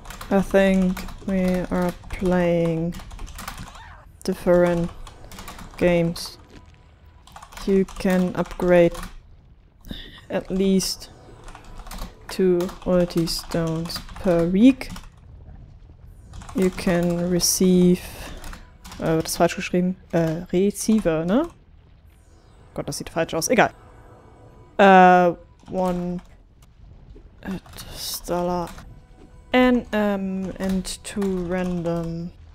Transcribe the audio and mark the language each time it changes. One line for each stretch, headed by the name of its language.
English: I think we are playing different games. You can upgrade at least 2 ulti stones per week. You can receive
German: Wird das falsch geschrieben? Receiver, ne? Gott, das sieht falsch aus. Egal.
English: One Stellar NM and two random.